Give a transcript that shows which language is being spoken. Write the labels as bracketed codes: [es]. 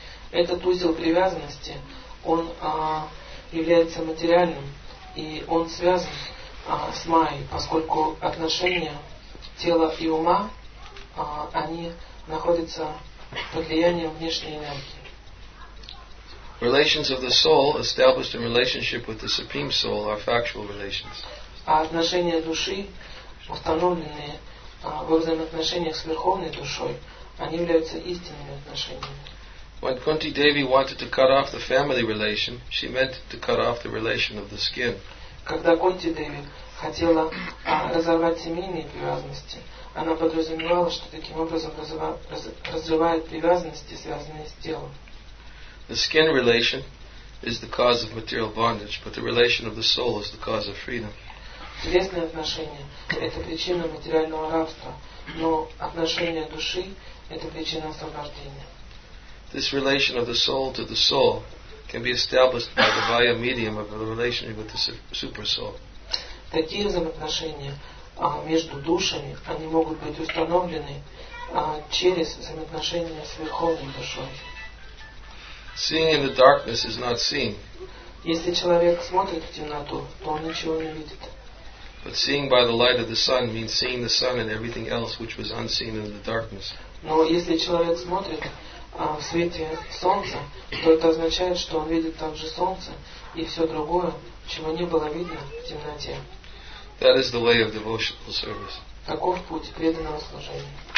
[ru] Этот узел привязанности, он является материальным, и он связан с Майей, поскольку отношения тела и ума, они находятся под влиянием внешней энергии. [en] Relations of the soul established in relationship with the Supreme Soul are factual relations. [ru] А отношения души, установленные во взаимоотношениях с Верховной Душой, они являются истинными отношениями. [en] When Kunti Devi wanted to cut off the family relation, she meant to cut off the relation of the skin. [ru] Когда Кунти Деви хотела разорвать семейные привязанности, она подразумевала, что таким образом разрывает привязанности, связанные с телом. [en] The skin relation is the cause of material bondage, but the relation of the soul is the cause of freedom. [ru] Телесные отношения — это причина материального рабства, но отношения души — это причина освобождения. [en] This relation of the soul to the soul can be established by the via medium of the relation with the super soul. [ru] Такие взаимоотношения между душами, они могут быть установлены через взаимоотношения с Верховной Душой. [en] Seeing in the darkness is not seeing. [ru] Если человек смотрит в темноту, то он ничего не видит. [en] But seeing by the light of the sun means seeing the sun and everything else which was unseen in the darkness. [ru] Но если человек смотрит в свете солнца, то это означает, что он видит также солнце и все другое, чего не было видно в темноте. [en] That is the way of devotional service. [ru] Таков путь преданного служения.